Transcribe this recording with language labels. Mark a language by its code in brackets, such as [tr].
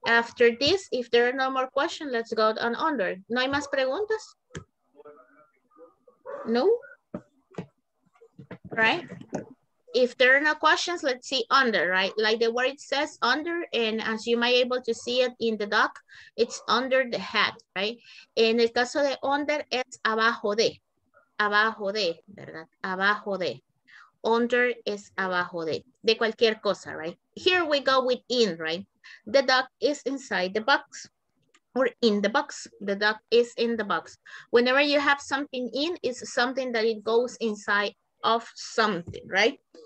[en] After this, if there are no more questions, let's go on under. [es] ¿No hay más preguntas? No? [en] Right? If there are no questions, let's see under, right? Like the word says under, and as you might be able to see it in the doc, it's under the head, right? [es] En el caso de under, es abajo de, ¿verdad? Abajo de, under es abajo de cualquier cosa, right? [en] Here we go with in, right? The duck is inside the box, or in the box, the duck is in the box. Whenever you have something in, it's something that it goes inside of something, right?